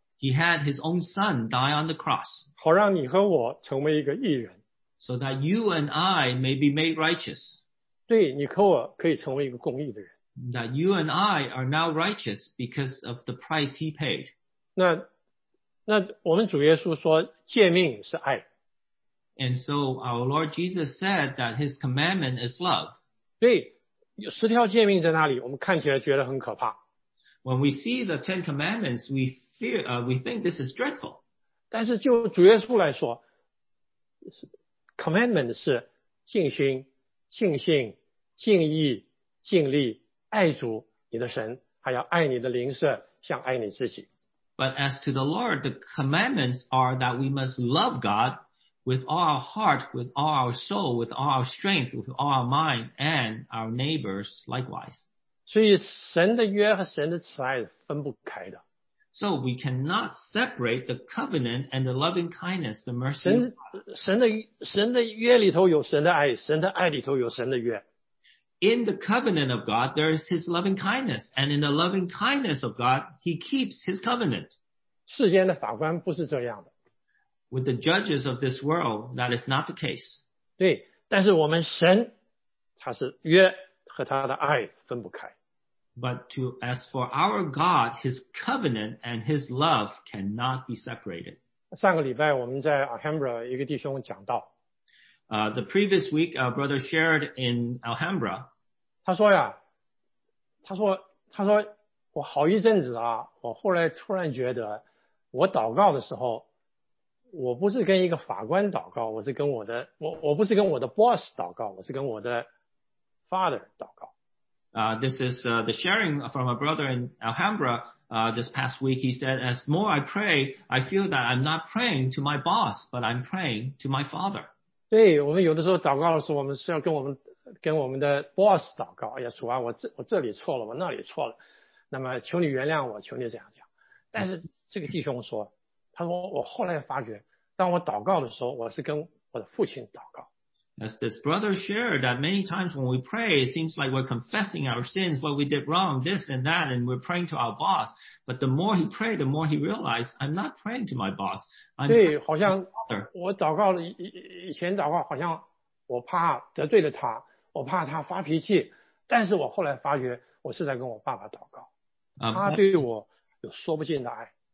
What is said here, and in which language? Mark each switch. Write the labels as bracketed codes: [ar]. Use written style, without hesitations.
[en] He had his own son die on the cross. [zh] 好让你和我成为一个义人。 [en] So that you and I may be made righteous. [zh] 对，你和我可以成为一个公义的人。 [en] That you and I are now righteous because of the price he paid. [zh] 那我们主耶稣说诫命是爱。 [en] And so our Lord Jesus said that his commandment is love. [zh] 对，十条诫命在那里，我们看起来觉得很可怕。 [en] When we see the Ten Commandments, we fear, we think this is dreadful. [zh] 但是就主耶稣来说 ，commandment 是信心、尽性、尽意、尽力。爱主你的神，还要爱你的邻舍，像爱你自己。 [en] But as to the Lord, the commandments are that we must love God with all our heart, with all our soul, with all our strength, with all our mind, and our neighbors likewise. [zh] 所以神的约和神的慈爱分不开的。 [en] So we cannot separate the covenant and the loving kindness, the mercy. [zh] 神的约里头有神的爱，神的爱里头有神的约。 [en] In the covenant of God, there is his loving kindness. And in the loving kindness of God, he keeps his covenant. [zh] 世间的法官不是这样的。 [en] With the judges of this world, that is not the case. [zh] 对，但是我们神，他是约和他的爱分不开。 [en] But to, as for our God, his covenant and his love cannot be separated. [zh] 上个礼拜我们在 Alhambra 一个弟兄讲到。 [en] The previous week, our brother shared in Alhambra. [zh] 他说呀，他说我好一阵子啊，我后来突然觉得，我祷告的时候，我不是跟一个法官祷告，我是跟我的我不是跟我的 boss 祷告，我是跟我的 father 祷告。 [en] This is the sharing from a brother in Alhambra. This past week, he said, as more I pray, I feel that I'm not praying to my boss, but I'm praying to my father. [zh] 对，我们有的时候祷告的时候，我们是要跟我们的 boss 祷告。哎呀，主啊，我这里错了，我那里错了，那么求你原谅我，求你怎样怎样。但是这个弟兄说，他说我后来发觉，当我祷告的时候，我是跟我的父亲祷告。 [en] As this brother shared that many times when we pray, it seems like we're confessing our sins, what we did wrong, this and that, and we're praying to our boss. But the more he prayed, the more he realized, I'm not praying to my boss. I'm [zh] 对，好像我祷告了以前祷告，好像我怕得罪了他，我怕他发脾气。但是我后来发觉，我是在跟我爸爸祷告，他对我有说不尽的爱。